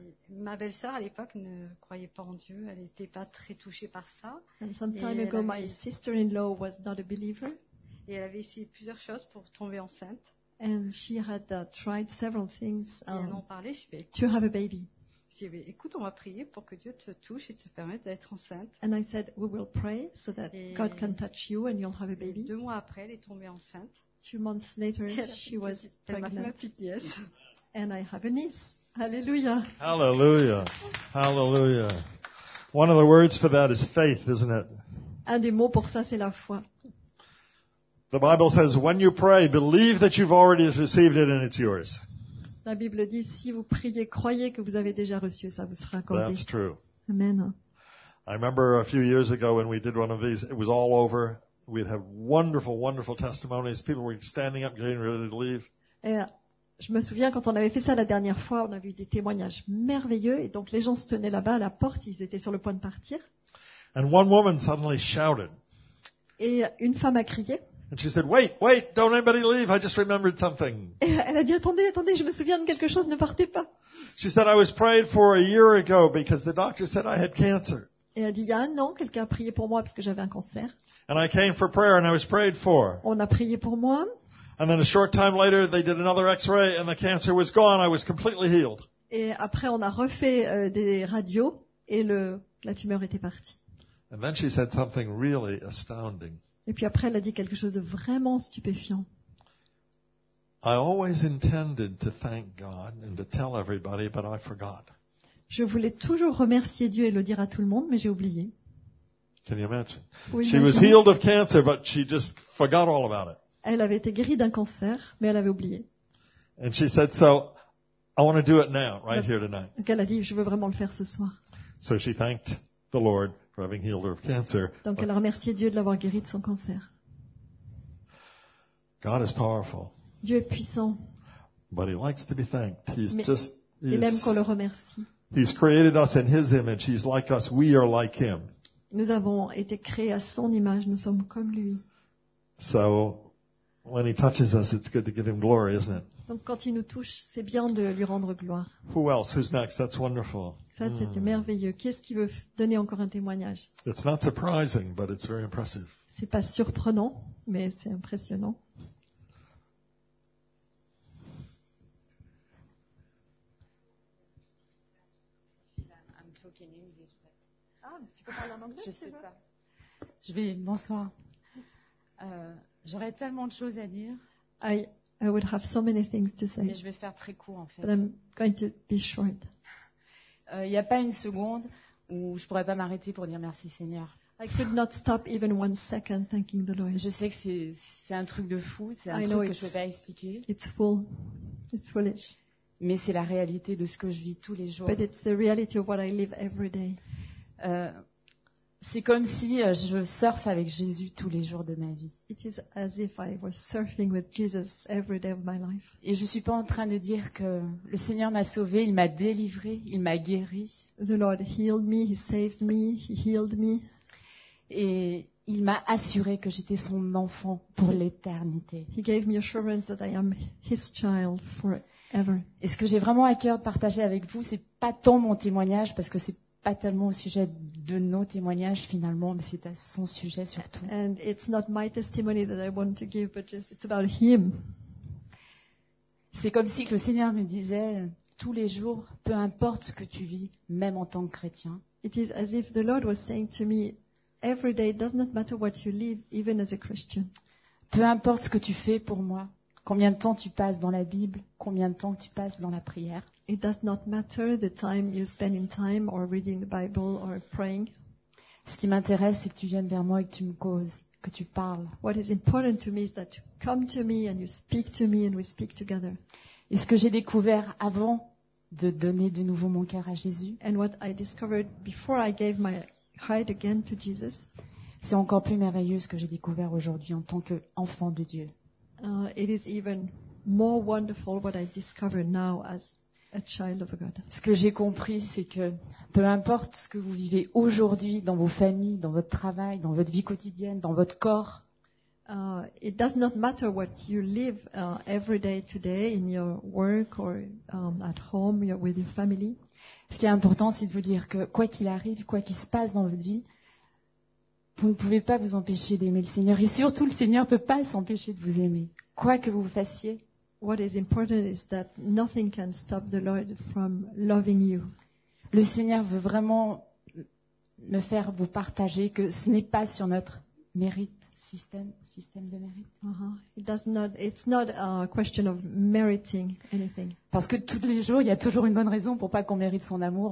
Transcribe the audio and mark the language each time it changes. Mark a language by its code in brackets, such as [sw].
[fr] Ma belle-sœur à l'époque ne croyait pas en Dieu. Elle n'était pas très touchée par ça. [en] And some time ago, my sister-in-law was not a believer. [fr] Et elle avait essayé plusieurs choses pour tomber enceinte. [en] And she had tried several things. [fr] Et elle en parlait. Je vais. [en] To have a baby. [fr] J'ai dit, écoute, on va prier pour que Dieu te touche et te permette d'être enceinte. [en] And I said, we will pray so that God can touch you and you'll have a baby. [fr] 2 mois après, elle est tombée enceinte. [en] 2 months later, she was pregnant. [fr] Elle m'a fait ma petite nièce. [en] And I have a niece. Hallelujah. Hallelujah. Hallelujah. One of the words for that is faith, isn't it? [fr] Un des mots pour ça, c'est la foi. [en] The Bible says, when you pray, believe that you've already received it and it's yours. [fr] La Bible dit, si vous priez, croyez que vous avez déjà reçu, ça vous sera accordé. [en] That's true. Amen. I remember a few years ago when we did one of these, it was all over. We'd have wonderful, wonderful testimonies. People were standing up, getting ready to leave. [fr] Et je me souviens quand on avait fait ça la dernière fois, on a vu des témoignages merveilleux. Et donc les gens se tenaient là-bas à la porte, ils étaient sur le point de partir. [en] And one woman suddenly shouted. [fr] Et une femme a crié. [en] And she said, wait, don't anybody leave, I just remembered something. [fr] Et elle a dit, attendez, je me souviens de quelque chose, ne partez pas. [en] She said, I was prayed for a year ago because the doctor said I had cancer. [fr] Et elle a dit, il y a un an, quelqu'un a prié pour moi parce que j'avais un cancer. [en] And I came for prayer and I was prayed for. [fr] On a prié pour moi. [en] And then a short time later, they did another x-ray and the cancer was gone, I was completely healed. [fr] Et après, on a refait des radios et la tumeur était partie. [en] And then she said something really astounding. [fr] Et puis après, elle a dit quelque chose de vraiment stupéfiant. [en] I always intended to thank God and to tell everybody, but I forgot. [fr] Je voulais toujours remercier Dieu et le dire à tout le monde, mais j'ai oublié. [en] Can you imagine? [fr] Oui, [en] she was healed of cancer, but she just forgot all about it. [fr] Elle avait été guérie d'un cancer, mais elle avait oublié. [en] And she said, so I want to do it now, right here tonight. [fr] Donc elle a dit, je veux vraiment le faire ce soir. [en] So she thanked the Lord. For having healed her of cancer. [fr] Donc elle a remercié Dieu de l'avoir guéri de son cancer. [en] God is powerful. [fr] Dieu est puissant. [en] But he likes to be thanked. [fr] Il aime qu'on le remercie. [en] He's created us in his image. He's like us. We are like him. [fr] Nous avons été créés à son image. Nous sommes comme lui. [en] So when he touches us, it's good to give him glory, isn't it? [fr] Donc quand il nous touche, c'est bien de lui rendre gloire. [en] Who else? Who's next? That's wonderful. [fr] Ça, c'était merveilleux. Qu'est-ce qui veut donner encore un témoignage? [en] It's not surprising, but it's very impressive. [fr] C'est pas surprenant, mais c'est impressionnant. Jenny, une vieille chouette. Ah, tu peux parler en anglais, je sais pas. Je vais, bonsoir. J'aurais tellement de choses à dire. [en] I would have so many things to say. [fr] Mais je vais faire très court, en fait. [en] But I'm going to be short. [fr] Il n'y a pas une seconde où je ne pourrais pas m'arrêter pour dire merci, Seigneur. [en] I could not stop even one second thanking the Lord. [fr] Je sais que c'est un truc de fou, c'est un truc que je ne vais pas expliquer. [en] It's foolish. [fr] Mais c'est la réalité de ce que je vis tous les jours. [en] But it's the reality of what I live every day. [fr] C'est comme si je surfe avec Jésus tous les jours de ma vie. [en] It is as if I was surfing with Jesus every day of my life. [fr] Et je suis pas en train de dire que le Seigneur m'a sauvé, il m'a délivré, il m'a guéri. [en] The Lord healed me, he saved me, he healed me. [fr] Et il m'a assuré que j'étais son enfant pour l'éternité. [en] He gave me assurance that I am his child forever. [fr] Et ce que j'ai vraiment à cœur de partager avec vous, c'est pas tant mon témoignage, parce que c'est pas tellement au sujet de nos témoignages finalement, mais c'est à son sujet surtout. [en] And it's not my testimony that I want to give, but just it's about him. [fr] C'est comme si le Seigneur me disait tous les jours, peu importe ce que tu vis, même en tant que chrétien. [en] It is as if the Lord was saying to me, every day, it does not matter what you live, even as a Christian. [fr] Peu importe ce que tu fais pour moi, combien de temps tu passes dans la Bible, combien de temps tu passes dans la prière. [en] It does not matter the time you spend in time or reading the Bible or praying. [fr] Ce qui m'intéresse, c'est que tu viennes vers moi et que tu me causes, que tu parles. [en] What is important to me is that you come to me and you speak to me and we speak together. [fr] Et ce que j'ai découvert avant de donner de nouveau mon cœur à Jésus. [en] And what I discovered before I gave my heart again to Jesus. [fr] C'est encore plus merveilleux ce que j'ai découvert aujourd'hui en tant qu'enfant de Dieu. [en] It is even more wonderful what I discover now as a child of God. [fr] Ce que j'ai compris, c'est que peu importe ce que vous vivez aujourd'hui dans vos familles, dans votre travail, dans votre vie quotidienne, dans votre corps. [en] It does not matter what you live every day today in your work or at home with your family. [fr] Ce qui est important, c'est de vous dire que quoi qu'il arrive, quoi qu'il se passe dans votre vie, vous ne pouvez pas vous empêcher d'aimer le Seigneur. Et surtout, le Seigneur ne peut pas s'empêcher de vous aimer. Quoi que vous fassiez. [en] What is important is that nothing can stop the Lord from loving you. [fr] Le Seigneur veut vraiment me faire vous partager que ce n'est pas sur notre mérite, système de mérite. [en] It's not a question of meriting anything. [fr] Parce que tous les jours, il y a toujours une bonne raison pour pas qu'on mérite son amour.